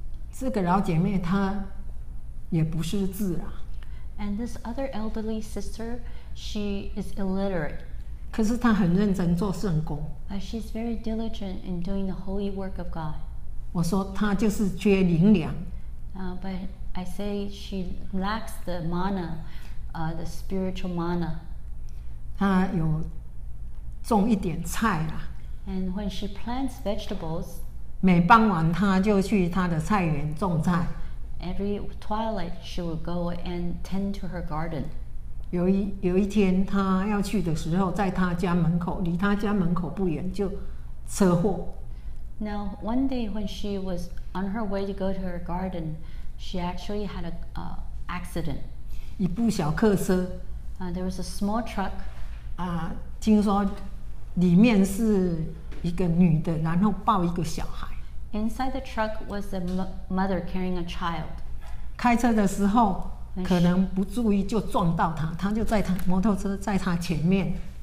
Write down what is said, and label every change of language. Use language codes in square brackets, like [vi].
[zh] 这个老姐妹她也不识字啊。 [en] And this other elderly sister, she is illiterate. [zh] 可是她很认真做圣工。 [en] But she's very diligent in doing the holy work of God. [zh] 我说她就是缺灵粮。 [en] But I say she lacks the mana, the spiritual mana. [zh] 她有种一点菜啦。 [en] And when she plants vegetables, [zh] 每傍晚她就去她的菜园种菜。 [en] Every twilight, she would go and tend to her garden. [zh] 有一天她要去的时候，在她家门口，离她家门口不远就车祸。 [en] Now, one day when she was on her way to go to her garden, she actually had an accident. [zh] 一部小客车。 [en] There was a small truck. [zh] 听说里面是一个女的，然后抱一个小孩。 [en] Inside the truck was a mother carrying a child. [zh] 开车的时候可能不注意就撞到他，他就在他摩托车在他前面。